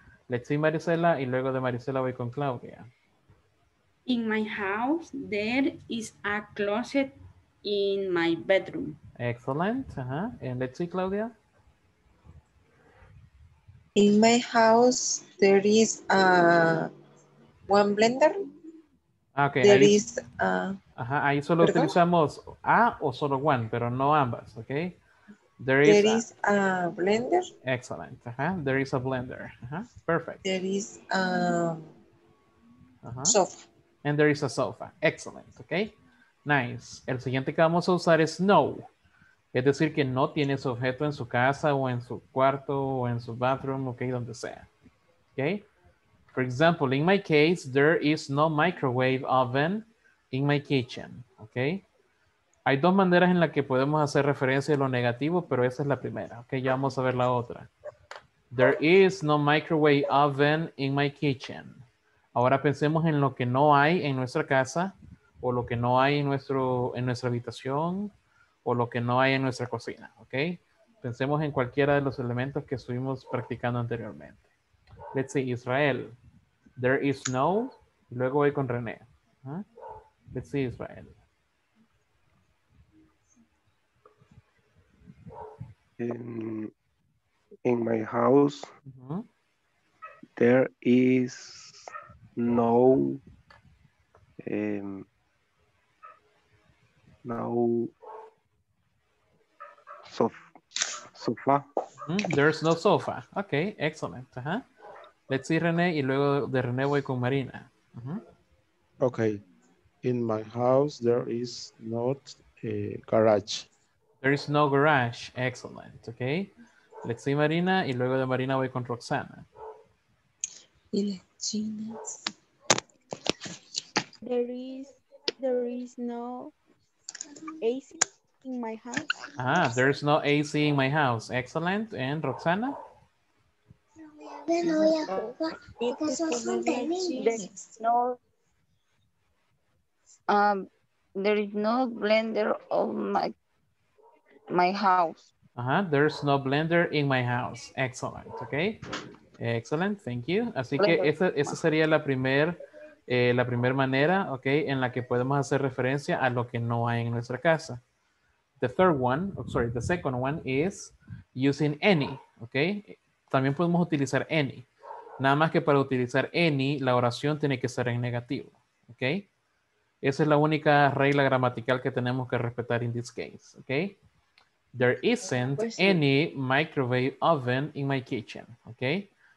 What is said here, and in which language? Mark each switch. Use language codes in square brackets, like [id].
[en] Let's see [es] Marisela y luego de Marisela voy con Claudia. [en] In my house there is a closet in my bedroom. Excellent. Uh-huh. And let's see Claudia. In my house there is a one blender. Okay, [es] ahí solo utilizamos A o solo one, pero no ambas, ¿ok? [en] There is a blender. Excellent. There is a blender. Perfect. There is a sofa. And there is a sofa. Excellent, ¿ok? Nice. [es] El siguiente que vamos a usar es no. Es decir, que no tiene su objeto en su casa o en su cuarto o en su bathroom, ¿ok? Donde sea, [en] ¿ok? For example, in my case, there is no microwave oven in my kitchen, ¿ok? [es] Hay dos maneras en las que podemos hacer referencia a lo negativo, pero esa es la primera, ¿ok? Ya vamos a ver la otra. [en] There is no microwave oven in my kitchen. [es] Ahora pensemos en lo que no hay en nuestra casa, o lo que no hay en nuestra habitación, o lo que no hay en nuestra cocina, ¿ok? Pensemos en cualquiera de los elementos que estuvimos practicando anteriormente. [en] Let's see, Israel. There is no. [es] Luego voy con René. [en] Let's see, Israel. In my house, there is no. No. Sofa. There's no sofa. Okay, excellent. Let's see, [es] René, y luego de René voy con Marina. [en] Okay. In my house, there is not a garage. There is no garage. Excellent. Okay. Let's see, [es] Marina, y luego de Marina voy con Roxana. [en] There is no AC in my house. Ah, there is no AC in my house. Excellent. And Roxana? There is no blender of my house. Uh-huh. There's no blender in my house. Excellent. Okay. Excellent. Thank you. [es] Así que esa sería la primer manera, okay, en la que podemos hacer referencia a lo que no hay en nuestra casa. [en] The second one is using any, okay. [es] También podemos utilizar any. Nada más que para utilizar any, la oración tiene que ser en negativo, okay. Esa es la única regla gramatical que tenemos que respetar [en] in this case, [es] okay. [en] There isn't any microwave oven in my kitchen, okay.